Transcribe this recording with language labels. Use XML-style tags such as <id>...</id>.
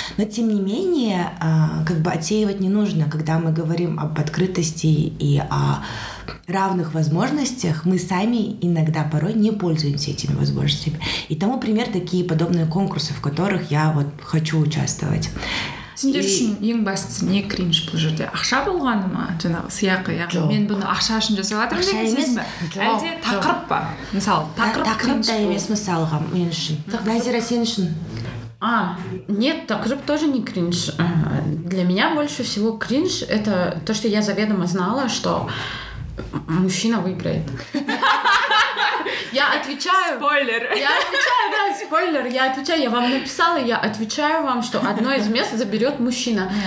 <ru>Но, тем не менее, как бы отсеивать не нужно, когда мы говорим об открытом и о равных возможностях, мы сами иногда порой не пользуемся этими возможностями. И тому пример такие подобные конкурсы, в которых я вот хочу участвовать.</ru> <kk>Сендер үшін ең бастысы не кринж бұл жерде? Ақша болғаны ма? Жаңағы сыйақы, яғни мен бұны ақша үшін жасап жатырмын деген сөз бе? Әлде тақырып па? Мысал, тақырып та емес мысалға мен үшін. Назира, сен үшін?</kk> <ru>А, нет,</ru> <kk>тақырып</kk> <ru>тоже не кринж. Для меня больше всего кринж — это то, что я заведомо знала, что мужчина выиграет. Я отвечаю... Спойлер. Я отвечаю, да, спойлер. Я отвечаю, я вам написала, я отвечаю вам, что одно из мест заберет мужчина.</ru>